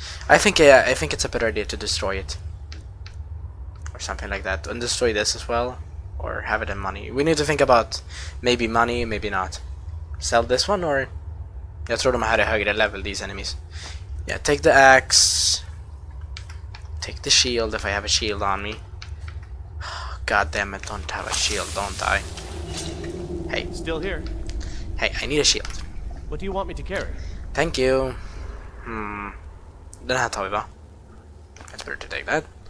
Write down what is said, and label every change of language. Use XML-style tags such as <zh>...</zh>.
<en>I think it's a better idea to destroy it. Or something like that. And destroy this as well. Or have it in money. We need to think about maybe money, maybe not. Sell this one or...</en> <sv>Jag tror de här är högre level,</sv> <en>these enemies. Yeah, take the axe. Take the shield if I have a shield on me. God damn it, don't have a shield, don't I? Hey. Still here. Hey, I need a shield. What do you want me to carry? Thank you.</en> <sv>Den här tar vi va?</sv> <en>It's better to take that.</en>